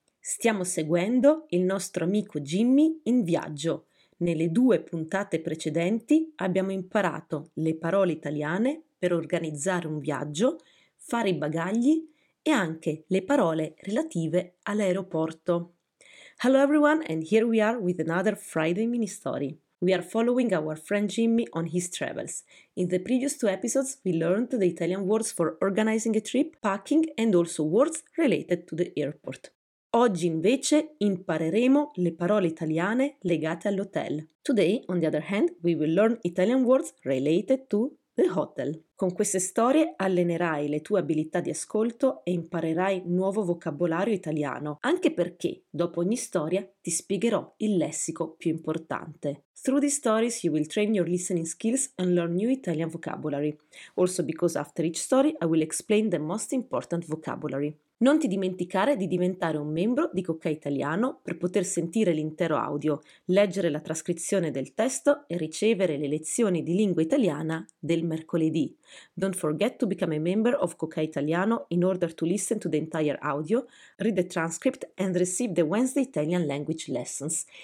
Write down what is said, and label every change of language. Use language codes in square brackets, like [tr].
[it] Stiamo seguendo il nostro amico Jimmy in viaggio. Nelle due puntate precedenti abbiamo imparato le parole italiane per organizzare un viaggio, fare i bagagli e anche le parole relative all'aeroporto. [en] Hello everyone and here we are with another Friday mini story. We are following our friend Jimmy on his travels. In the previous two episodes, we learned the Italian words for organizing a trip, packing, and also words related to the airport. [it] Oggi invece impareremo le parole italiane legate all'hotel. [en] Today, on the other hand, we will learn Italian words related to the hotel. [it] Con queste storie allenerai le tue abilità di ascolto e imparerai nuovo vocabolario italiano, anche perché dopo ogni storia ti spiegherò il lessico più importante. [en] Through these stories you will train your listening skills and learn new Italian vocabulary. Also because after each story I will explain the most important vocabulary. [it] Non ti dimenticare di diventare un membro di Cocca Italiano per poter sentire l'intero audio, leggere la trascrizione del testo e ricevere le lezioni di lingua italiana del mercoledì. [en] Don't forget to become a member of Cocca Italiano in order to listen to the entire audio, read the transcript and receive the Wednesday Italian language lessons.